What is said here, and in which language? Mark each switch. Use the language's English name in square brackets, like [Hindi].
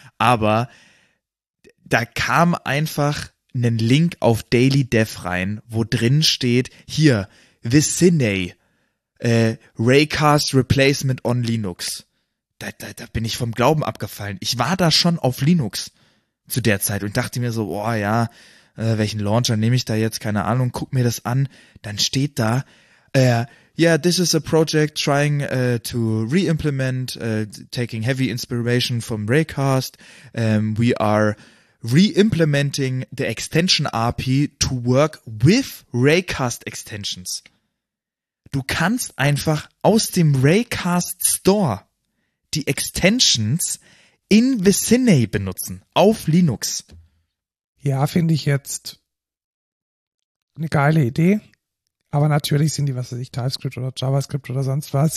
[German] Aber da kam einfach ein Link auf Daily Dev rein, wo drin steht, hier, Vicinay. Raycast Replacement on Linux. Da bin ich vom Glauben abgefallen. Ich war da schon auf Linux zu der Zeit und dachte mir so, boah ja, welchen Launcher nehme ich da jetzt? Keine Ahnung, guck mir das an. Dann steht da, [English] yeah, this is a project trying to re-implement, taking heavy inspiration from Raycast. We are re-implementing the extension API to work with Raycast Extensions. [German] Du kannst einfach aus dem Raycast Store die Extensions in Vicinay benutzen, auf Linux. Ja, finde ich jetzt eine geile Idee. Aber natürlich sind die, was weiß ich, TypeScript oder JavaScript oder sonst was.